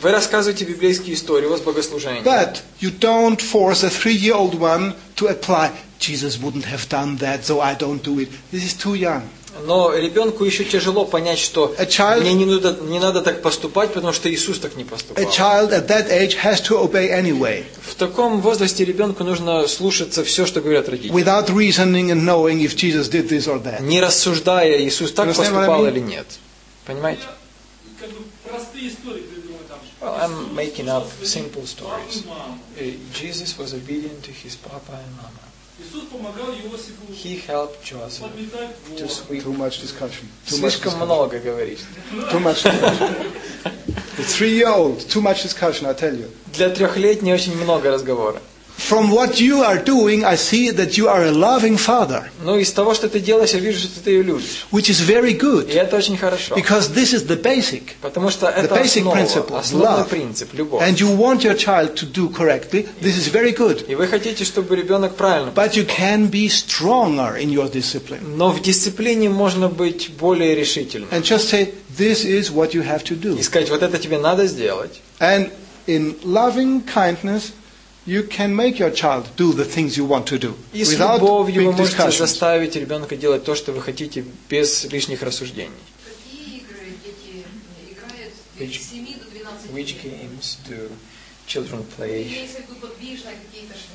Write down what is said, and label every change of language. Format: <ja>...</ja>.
<ru>Вы рассказываете библейские истории, у вас богослужение.</ru> <en>But you don't force a three-year-old one to apply. Jesus wouldn't have done that, so I don't do it. This is too young.</en> <ru>Но ребенку еще тяжело понять, что мне не надо так поступать, потому что Иисус так не поступал.</ru> <en>A child at that age has to obey anyway.</en> <ru>В таком возрасте ребенку нужно слушаться все, что говорят родители.</ru> <en>Without reasoning and knowing if Jesus did this or that.</en> <ru>Не рассуждая, Иисус так поступал или нет. Понимаете?</ru> <en>Well, I'm making up simple stories. Jesus was obedient to his papa and mama. He helped Joseph to sweep. Too much discussion.</en> <ru>Слишком много говоришь.</ru> <en>Too much discussion. Three-year-old, too much discussion, I tell you.</en> <ru>Для трехлетней очень много разговора.</ru> <en>From what you are doing, I see that you are a loving father.</en> <ru>Ну, из того, что ты делаешь, я вижу, что ты ее любишь.</ru> <en>Which is very good.</en> <ru>И это очень хорошо.</ru> <en>Because this is the basic.</en> <ru>Потому что это</ru> <en>the basic principle,</en> <ru>основной принцип, любовь.</ru> <en>And you want your child to do correctly, this is very good.</en> <ru>И вы хотите, чтобы ребенок правильно поступал.</ru> <en>But you can be stronger in your discipline.</en> <ru>Но в дисциплине можно быть более решительным.</ru> <en>And just say, this is what you have to do.</en> <ru>И сказать, вот это тебе надо сделать.</ru> <en>And in loving kindness, You can make your child do the things you want to do.</en> <ru>И с любовью вы можете заставить ребенка делать то, что вы хотите, без лишних рассуждений. Какие игры дети играют с 7 до 12 лет?</ru> <en>Which games do children play?</en> <ru>Если будут подвижные какие-то,</ru>